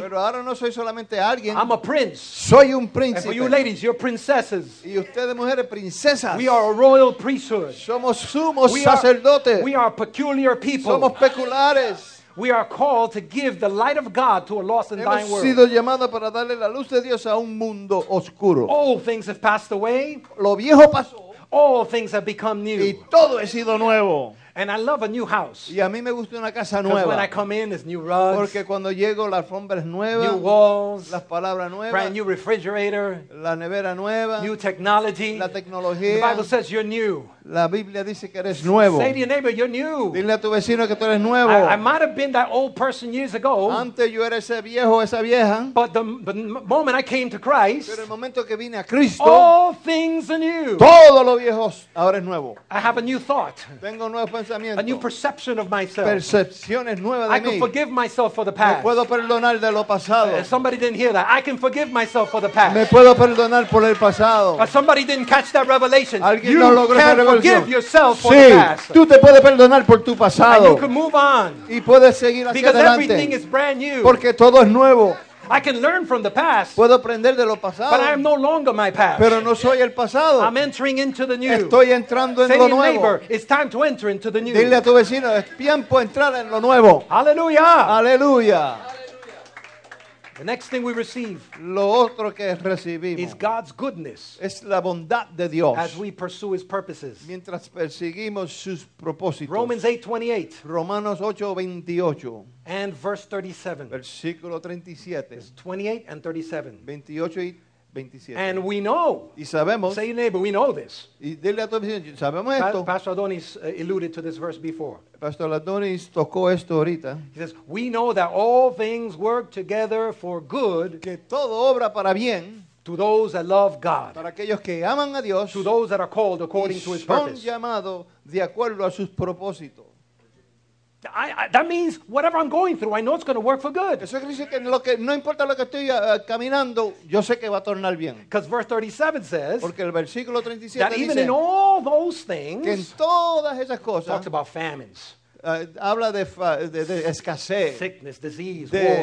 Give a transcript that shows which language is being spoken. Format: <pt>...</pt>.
<es>Pero ahora no soy solamente alguien.</es> <en>I'm a prince.</en> <es>Soy un príncipe.</es> <en>And for you ladies, you're princesses.</en> <es>Y ustedes mujeres princesas.</es> <en>We are a royal priesthood.</en> <es>Somos sumos sacerdotes.</es> <en>We are peculiar people.</en> <es>Somos peculiares.</es> <en>We are called to give the light of God to a lost and dying world.</en> <es>Hemos sido llamados para darle la luz de Dios a un mundo oscuro.</es> <en>All things have passed away.</en> <es>Lo viejo pasó.</es> <en>All things have become new.</en> <es>Y todo ha sido nuevo.</es> <en>And I love a new house.</en> <es>Y a mí me gusta una casa nueva.</es> <en>When I come in, it's new rugs.</en> <es>Porque cuando llego, la alfombra es nueva.</es> <en>New walls.</en> <es>Las palabras nuevas.</es> <en>Brand new refrigerator.</en> <es>La nevera nueva.</es> <en>New technology.</en> <es>La tecnología.</es> <en>The Bible says you're new.</en> <es>La Biblia dice que eres nuevo.</es> <en>Say to your neighbor, you're new.</en> <es>Dile a tu vecino que tú eres nuevo.</es> <en>I might have been that old person years ago.</en> <es>Antes yo era ese viejo, esa vieja.</es> <en>But the moment I came to Christ.</en> <es>Pero el momento que vine a Cristo.</es> <en>All things are new.</en> <es>Todo lo viejo ahora es nuevo.</es> <en>I have a new thought.</en> <es>Tengo un nuevo pensamiento.</es> <en>A new perception of myself.</en> <es>Percepciones nuevas de mí.</es> <en>I can forgive myself for the past.</en> <es>Me puedo perdonar de lo pasado.</es> <en>Somebody didn't hear that. I can forgive myself for the past.</en> <es>Me puedo perdonar por el pasado.</es> <en>But somebody didn't catch that revelation.</en> <es>Alguien</es> <en>you</en> <es>no logró esa revelación.</es> <en>Forgive yourself</en> <es>sí,</es> <en>for the past.</en> <es>Tú te puedes perdonar por tu pasado.</es> <en>And you can move on.</en> <es>Y puedes seguir hacia</es> <en>because</en> <es>adelante.</es> <en>Because everything is brand new.</en> <es>Porque todo es nuevo.</es> <en>I can learn from the past.</en> <es>Puedo aprender de lo pasado.</es> <en>But I am no longer my past.</en> <es>Pero no soy el pasado.</es> <en>I'm entering into the new.</en> <es>Estoy entrando en lo nuevo.</es> <en>Say to your neighbor, it's time to enter into the new.</en> <es>Dile a tu vecino, es tiempo de entrar en lo nuevo. Aleluya. Aleluya.</es> <en>The next thing we receive,</en> <es>lo otro que recibimos,</es> <en>is God's goodness.</en> <es>Es la bondad de Dios.</es> <en>As we pursue His purposes,</en> <es>mientras perseguimos sus propósitos.</es> <en>Romans 8:28.</en> <es>Romanos 8:28.</es> <en>And verse 37.</en> <es>Versículo 37.</es> <en>It's 28 and 37.</en> <es>28 y 27.</es> <en>And we know.</en> <es>Y sabemos.</es> <en>Say, neighbor, we know this.</en> <es>Y dile a tu vecino, sabemos esto.</es> <en>Pastor Adonis alluded to this verse before.</en> <es>Pastor Ladonis tocó esto ahorita.</es> <en>He says, we know that all things work together for good.</en> <es>Que todo obra para bien.</es> <en>To those that love God.</en> <es>Para aquellos que aman a Dios.</es> <en>To those that are called according to His purpose.</en> <es>Son llamados de acuerdo a sus propósitos.</es> <en>That means whatever I'm going through, I know it's going to work for good.</en> <es>Eso dice que lo que no importa lo que estoy caminando, yo sé que va a tornar bien.</es> <en>Because verse 37 says.</en> <es>Porque el versículo 37</es> <en>that</en> <es>dice.</es> <en>That even in all those things.</en> <es>Que en todas esas cosas.</es> <en>Talks about famines.</en> <es>Habla de escasez.</es> <en>Sickness, disease,</en> <es>de,</es>